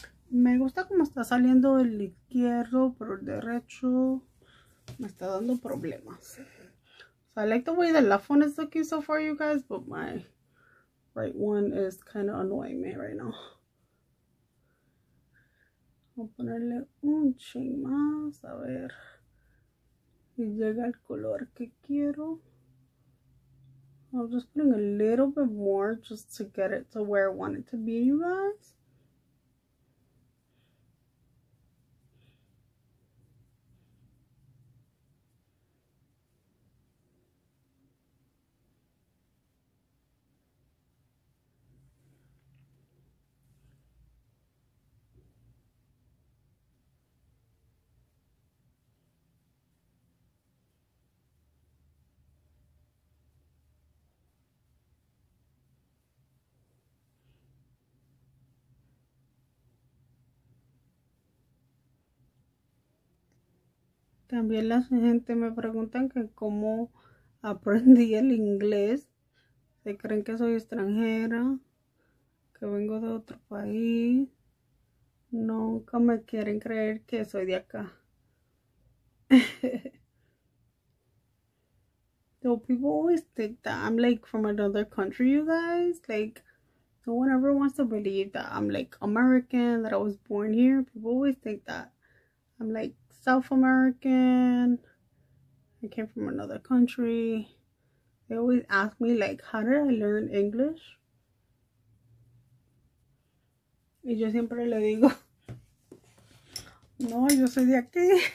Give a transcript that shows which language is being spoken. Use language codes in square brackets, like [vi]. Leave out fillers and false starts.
[es] Me gusta cómo está saliendo el izquierdo, pero el derecho me está dando problemas. [en] So I like the way the left one is looking so far, you guys, but my right one is kind of annoying me right now. [es] Voy a ponerle un ching más, a ver si llega el color que quiero. [en] I'm just putting a little bit more just to get it to where I want it to be, you guys. [es] También la gente me pregunta que cómo aprendí el inglés. Se creen que soy extranjera, que vengo de otro país. Nunca me quieren creer que soy de acá. [en] So people always think that I'm like from another country, you guys. Like, no one ever wants to believe that I'm like American, that I was born here. People always think that I'm like South American, I came from another country. They always ask me, like, how did I learn English? [es] Y yo siempre le digo, no, yo soy de aquí.